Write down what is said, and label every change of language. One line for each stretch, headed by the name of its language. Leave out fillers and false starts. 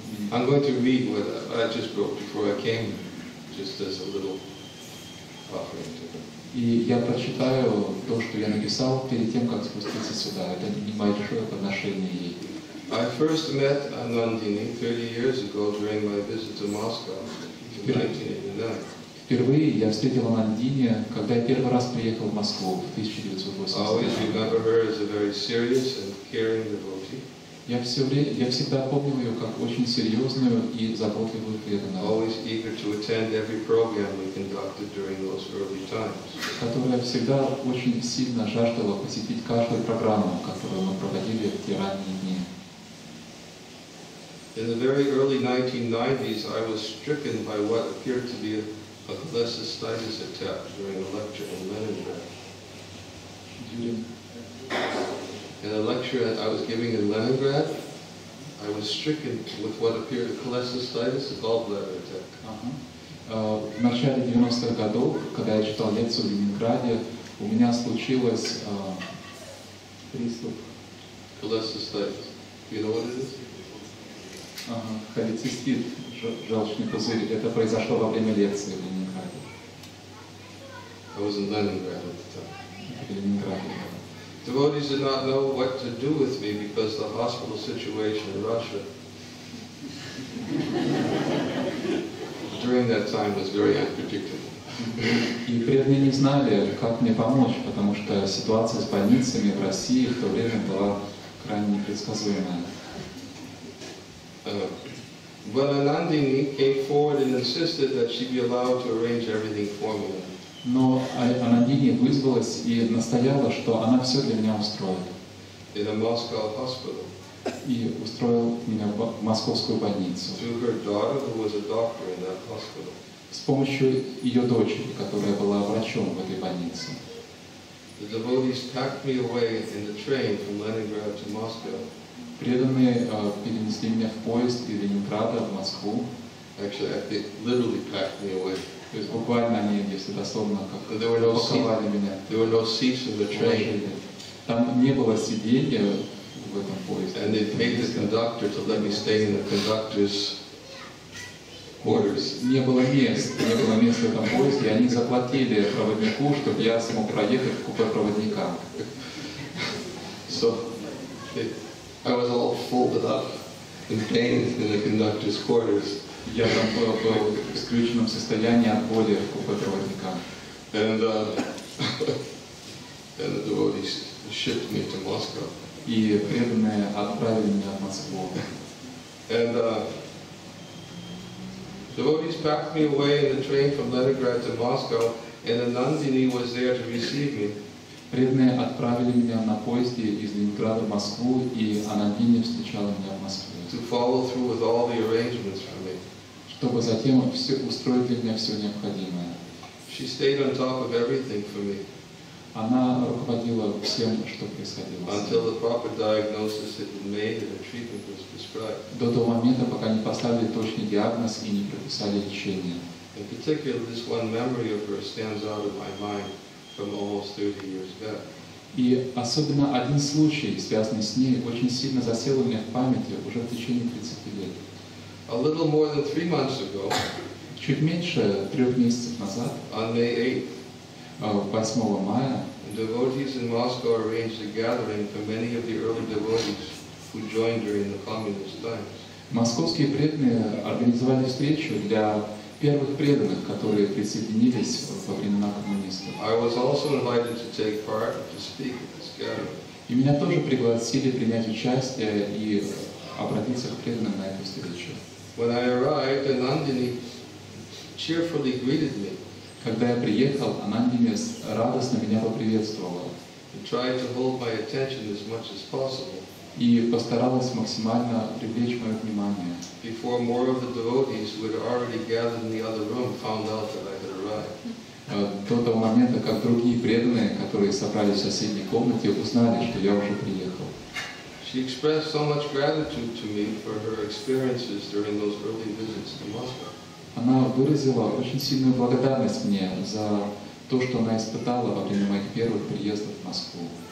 English: I'm going to read what I just wrote before I came, just as a little offering to them.
Russian: И я прочитаю то, что я написал перед тем, как спуститься сюда. Это небольшое подношение ей.
English: I first met Anandini 30 years ago during my visit to Moscow in 1989.
Russian: Впервые я встретил Анандини, когда я первый раз приехал в Москву в 1989.
English: I always remember her as a very serious and caring devotee.
Russian: Я всегда помнил ее как очень серьезную и заботливую преданную.
English: Always eager to attend every program we conducted during those early times.
Russian: Которая всегда очень сильно жаждала посетить каждую программу, которую мы проводили в те ранние дни.
English: In the very early 1990s, I was stricken by what appeared to be a cholecystitis attack during a lecture in Leningrad. In a lecture I was giving in Leningrad, I was stricken with what appeared to be cholecystitis, a gallbladder attack.
Russian: В начале 90-х годов, когда я читал лекцию в Ленинграде, у меня случился приступ
English: cholecystitis. You know what it is?
Russian: Холецистит, желчный пузырь. Это произошло во время лекции в Ленинграде.
English: I was in Leningrad at the time.
Russian: Ленинград.
English: Devotees did not know what to do with me because the hospital situation in Russia during that time was very unpredictable.
Russian: И преданные не знали, как мне помочь, потому что ситуация с больницами в России в то время была крайне непредсказуемая.
English: When Anandini came forward and insisted that she be allowed to arrange everything for me.
Russian: Но Анандини вызвалась и настояла, что она все для меня устроит.
English: In a Moscow hospital.
Russian: И устроила меня в московскую больницу.
English: Through her daughter, who was a doctor in that hospital.
Russian: С помощью ее дочери, которая была врачом в этой больнице.
English: The devotees packed me away in the train from Leningrad to Moscow.
Russian: Преданные перенесли меня в поезд из Ленинграда в Москву.
English: Actually, they literally packed me away.
Russian: То есть буквально они, если дословно, как упаковали меня.
English: There were no seats in the train.
Russian: Там не было сиденья в этом поезде.
English: And they paid the conductor to let me stay in the conductor's quarters.
Russian: Не было места в этом поезде, и они заплатили проводнику, чтобы я смог проехать в купе проводника.
English: So, I was all folded up in pain in the conductor's quarters.
Russian: Я там был в исключенном состоянии от боли в купе проводника.
English: And the devotees shipped me to Moscow.
Russian: И преданные отправили меня в Москву.
English: And devotees packed me away in the train from Leningrad to Moscow, and Anandini was there to receive me.
Russian: Преданные отправили меня на поезде из Ленинграда в Москву, и Анандини встречала меня в Москве.
English: To follow through with all the arrangements for me.
Russian: Чтобы затем все устроить для меня все необходимое.
English: She stayed on top of everything for me.
Russian: Она руководила всем, что происходило.
English: Until the proper diagnosis had been made and the treatment was prescribed.
Russian: До того момента, пока не поставили точный диагноз и не прописали лечение.
English: In particular, this one memory of her stands out in my mind from almost 30 years back.
Russian: И особенно один случай, связанный с ней, очень сильно засел у меня в памяти уже в течение 30 лет.
English: A little more than 3 months ago,
Russian: чуть меньше 3 месяцев назад,
English: on May 8th,
Russian: 8 мая,
English: devotees in Moscow arranged a gathering for many of the early devotees who joined during the communist times.
Russian: Московские преданные организовали встречу для первых преданных, которые присоединились во времена коммунистов.
English: I was also invited to take part to speak at this gathering.
Russian: И меня тоже пригласили принять участие и обратиться к преданным на эту встречу.
English: When I arrived, Anandini cheerfully greeted me.
Russian: Когда я приехал, Анандини радостно меня поприветствовала.
English: She tried to hold my attention as much as possible.
Russian: И постаралась максимально привлечь мое внимание.
English: Before more of the devotees who had already gathered in the other room found out that I had arrived.
Russian: До того момента, как другие преданные, которые собрались в соседней комнате, узнали, что я уже приехал.
English: She expressed so much gratitude to me for her experiences during those early visits to Moscow.
Russian: Она выразила очень сильную благодарность мне за то, что она испытала во время моих первых приездов в Москву.